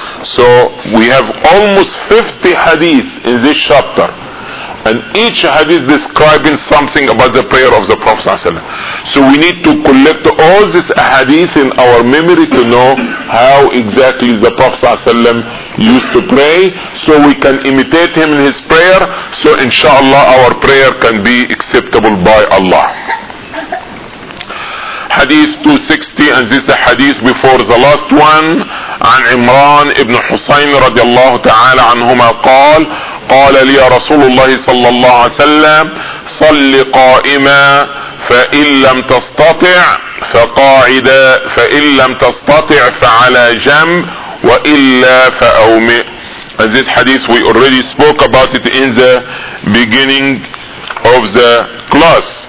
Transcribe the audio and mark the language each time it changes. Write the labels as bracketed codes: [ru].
[en] So we have almost 50 hadith in this chapter, and each hadith describing something about the prayer of the Prophet ﷺ. So we need to collect all these hadith in our memory to know how exactly the Prophet ﷺ used to pray, so we can imitate him in his prayer, so inshallah our prayer can be acceptable by Allah. Hadith 260, and this is the hadith before the last one, [ar] عن عمران ابن حسين رضي الله تعالى عنهما قال قال لي رسول الله صلى الله عليه وسلم صل قائما فإن لم تستطع فقاعدا فإن لم تستطع فعلى جنب وإلا فأومئ. [en] And this hadith, we already spoke about it in the beginning of the class.